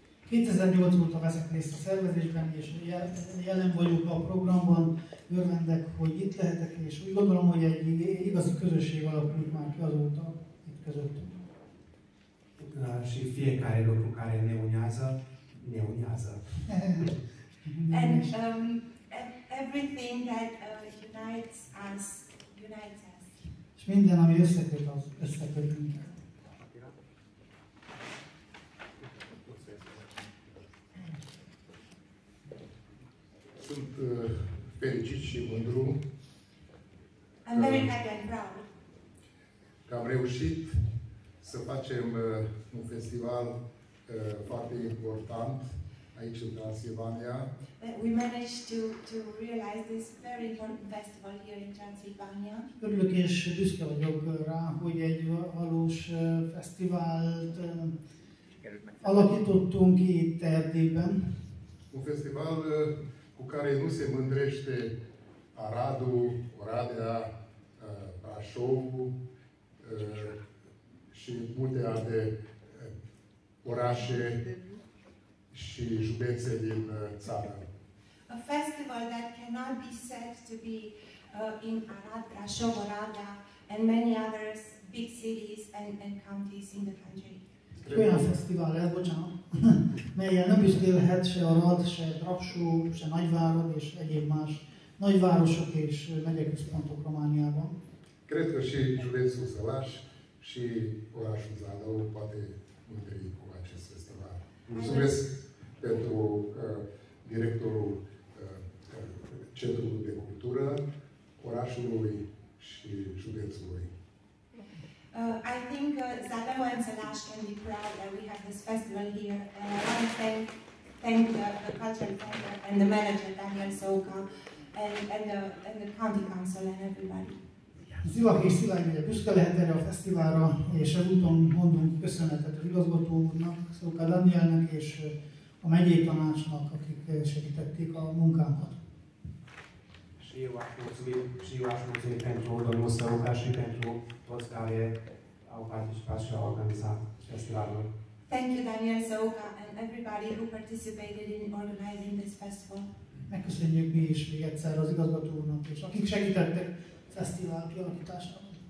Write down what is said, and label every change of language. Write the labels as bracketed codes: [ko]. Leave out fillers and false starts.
[hu] 2008 óta veszek részt a szervezésben és jelen vagyok a programban. Örvendek, hogy itt lehetek, és úgy gondolom, hogy egy igazi közösség alakult már ki azóta itt közöttünk. [ro] Și fiecare lucru care ne unează, ne unează. [en] And everything that unites us, unites us. [hu] És minden, ami összeköt, az összeköt minket. [ro] Sunt fericit și mândru. [en] I'm very happy and proud. [ro] Că am reușit să facem un festival foarte important aici în Transilvania. [en] We managed to realize this very important festival here in Transilvania. [hu] Örülök és büszke vagyok rá, hogy egy valós fesztivált alakítottunk itt Erdélyben. [ro] Un festival cu care nu se mândrește Aradul, Oradea, Brașovul și multe alte orașe și județe din țară. [en] A festival that cannot be said to be in Arad, Brașov, Oradea and many other big cities and counties in the country. [hu] Olyan fesztivál, elbocsánat, melyen nem büszkélhet se Arad, se Brașov, se Nagyvárad és egyéb más nagyvárosok és megyeközpontok Romániában. [ro] Cred că și județul Salaș și orașul Zalău poate întâlni cu acest festival. Mulțumesc pentru directorul Centrului de Cultură, orașului și județului. [en] I think Zalău and Salaș can be proud that we have this festival here. And I want to thank the cultural center and the manager, Daniel Soka, and the county council and everybody. [hu] Zivak és Szilágy megye büszke lehet erre a fesztiválra, és ezúton mondunk köszönetet az igazgató úrnak, Szóka Danielnek és a megyei tanácsnak, akik segítették a munkánkat. [ro] Și eu aș mulțumi pentru domnul Szóka și pentru toți care au participat și au organizat festivalul. [en] Thank you, Daniel Szóka, and everybody who participated in organizing this festival. [hu] Megköszönjük mi is még egyszer az igazgató úrnak, és akik segítettek fesztivál kialakításában.